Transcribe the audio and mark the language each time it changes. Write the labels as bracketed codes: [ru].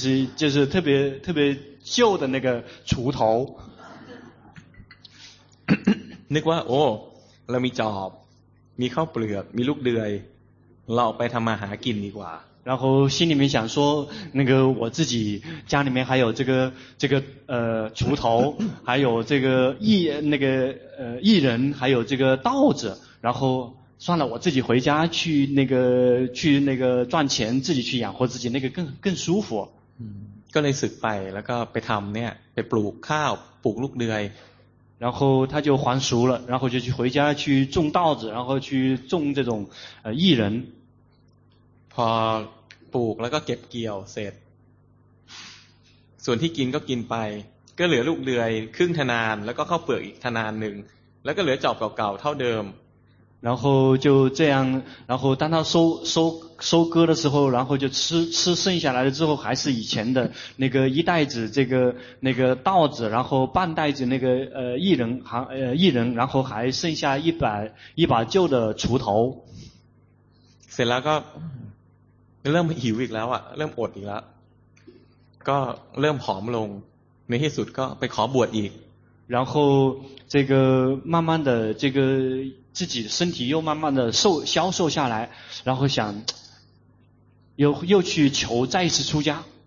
[zh] ๆ就是特别特别旧的那个锄头 [th] นึกว่าโอ้เรามีจอบมีข้าวเปลือกมีลูกเดือยเราไปทำมาหากินดีกว่า [zh] 然后心里面想说那个我自己家里面还有这个锄头还有这个薏仁还有这个稻子然后算了我自己回家去那个赚钱自己去养活自己那个更舒服 [th] ก็เลยสึกไปแล้วก็ไปทำเนี่ยไปปลูกข้าวปลูกลูกเดือย [zh] 然后他就还俗了然后就去回家去种稻子然后去种这种薏仁 [th] พอปลูกแล้วก็เก็บเกี่ยวเสร็จส่วนที่กินก็กินไปก็เหลือลูกเดือยครึ่งทนานแล้วก็เข้าเปลือกอีกทนานหนึ่งแล้วก็เหลือจอบเก่าๆเท่าเดิม [zh] 然后就这样然后当他收割的时候然后就吃剩下来的之后还是以前的那个一袋子这个那个稻子然后半袋子那个薏仁然后还剩下一把旧的锄头 [th] เสร็จแล้วก็เริ่มหิวอีกแล้วอ่ะเริ่มอดอีกแล้วก็เริ่มผอมลงในที่สุดก็ไปขอบวชอีก [zh] 然后这个慢慢的这个自己身体又慢慢的消瘦下来然后想又去求再一次出家